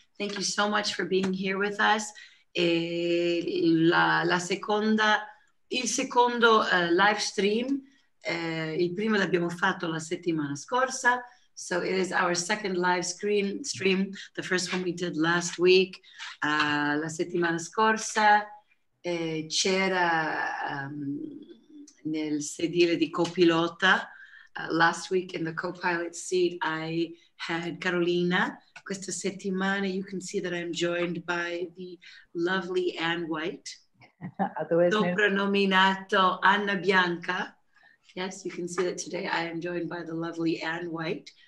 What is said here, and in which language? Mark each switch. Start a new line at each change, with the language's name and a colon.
English: Thank you so much for being here with us.
Italian: E il secondo live stream, il primo l'abbiamo fatto la settimana scorsa.
English: So it is our second live stream, the first one we did last week.
Italian: La settimana scorsa c'era nel sedile di copilota.
English: Last week in the co-pilot seat I had Carolina.
Italian: Questa settimana
English: you can see that I'm joined by the lovely Anne White.
Italian: Soprannominato Anna Bianca.
English: Yes, you can see that today I am joined by the lovely Anne White.